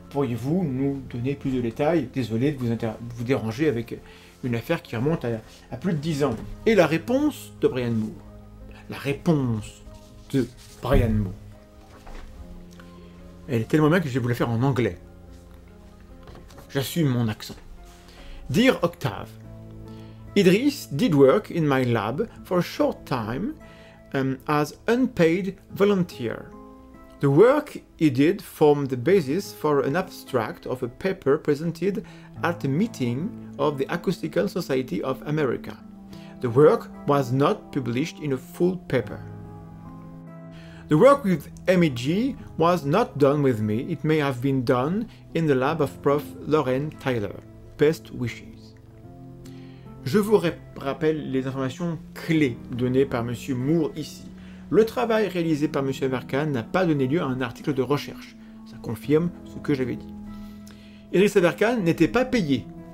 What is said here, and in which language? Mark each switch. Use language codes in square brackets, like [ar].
[fr] Pourriez-vous nous donner plus de détails? Désolé de vous déranger avec une affaire qui remonte à plus de 10 ans. » Et la réponse de Brian Moore. La réponse de Brian Moore. Elle est tellement bien que je vais vous la faire en anglais. J'assume mon accent. [en] « Dear Octave, Idriss did work in my lab for a short time as unpaid volunteer. The work he did formed the basis for an abstract of a paper presented at a meeting of the Acoustical Society of America. The work was not published in a full paper. The work with MEG was not done with me. It may have been done in the lab of Prof. Lauren Tyler. Best wishes. [fr] » Je vous rappelle les informations clés données par M. Moore ici. Le travail réalisé par M. Aberkan n'a pas donné lieu à un article de recherche. Ça confirme ce que j'avais dit. Idriss Aberkan n'était pas payé.